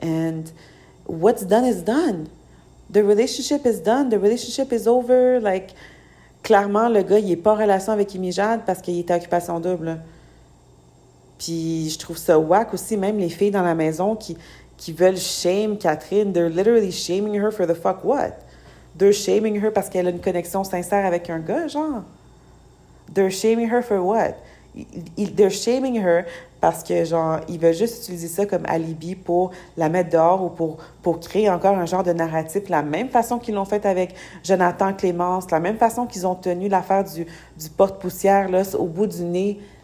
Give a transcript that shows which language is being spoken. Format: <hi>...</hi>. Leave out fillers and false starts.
<en>And what's done is done. The relationship is over.</en> <fr>Like, clairement, le gars, il est pas en relation avec Amy Jade parce qu'il est à occupation double. Puis je trouve ça whack aussi, même les filles dans la maison qui veulent shame Catherine.</fr> <en>They're literally shaming her for the fuck what? They're shaming her</en> <fr>parce qu'elle a une connexion sincère avec un gars, genre.</fr> <en>They're shaming her for what? They're shaming her</en> <fr>parce que, genre, ils veulent juste utiliser ça comme alibi pour la mettre dehors ou pour créer encore un genre de narratif, la même façon qu'ils l'ont fait avec Jonathan Clémence, la même façon qu'ils ont tenu l'affaire du porte-poussière, là, au bout du nez.</fr>